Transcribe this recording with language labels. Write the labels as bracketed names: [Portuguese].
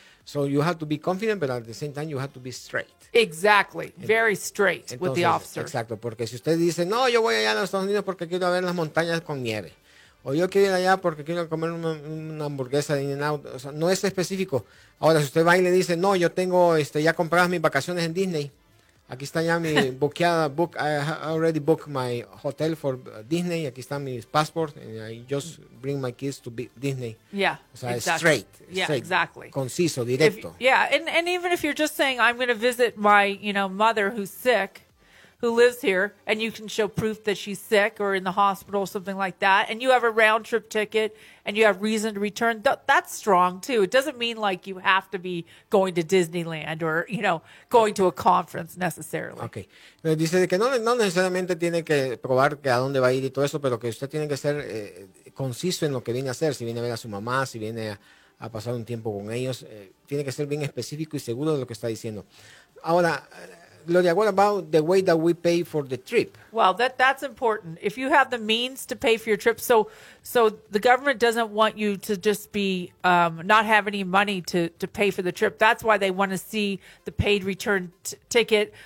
[English] So you have to be confident, but at the same time, you have to be straight. Exactly. Very straight [Spanish] entonces, [English] with the officer. [Spanish] Exacto. Porque si usted dice, no, yo voy allá a los Estados Unidos porque quiero ver las montañas con nieve. O yo quiero ir allá porque quiero comer una hamburguesa de In-N-Out. O sea, no es específico. Ahora, si usted va y le dice, no, yo tengo, ya compradas mis vacaciones en Disney. Aquí está ya mi buqueada. [English] I already booked my hotel for Disney. [Spanish] Aquí está mi passport. [English] And I just bring my kids to Disney. Yeah. [Spanish] O sea, [English] exactly. Straight. Yeah, exactly. [Spanish] Conciso, directo. [English] And even if you're just saying, I'm going to visit my, mother who's sick, who lives here, and you can show proof that she's sick or in the hospital or something like that, and you have a round-trip ticket and you have reason to return, that's strong, too. It doesn't mean, like, you have to be going to Disneyland or, going to a conference necessarily. Okay. [Spanish] Dice que no necesariamente tiene que probar que a dónde va a ir y todo eso, pero que usted tiene que ser conciso en lo que viene a hacer, si viene a ver a su mamá, si viene a pasar un tiempo con ellos. Tiene que ser bien específico y seguro de lo que está diciendo. [English] Ahora, Gloria, what about the way that we pay for the trip? Well, that's important. If you have the means to pay for your trip, so the government doesn't want you to just be not have any money to pay for the trip. That's why they want to see the paid return ticket.